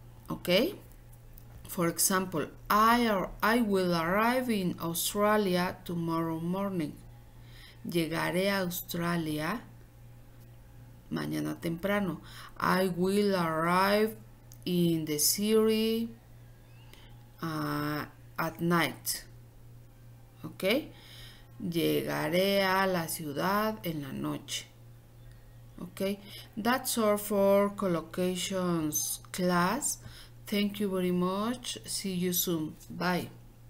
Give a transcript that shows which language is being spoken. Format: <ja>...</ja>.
<en>Okay? For example, I will arrive in Australia tomorrow morning.</en> <es>Llegaré a Australia mañana temprano.</es> <en>I will arrive in the city at night.</en> <es>Ok, llegaré a la ciudad en la noche.</es> <en>Ok, that's all for collocations class. Thank you very much. See you soon. Bye.</en>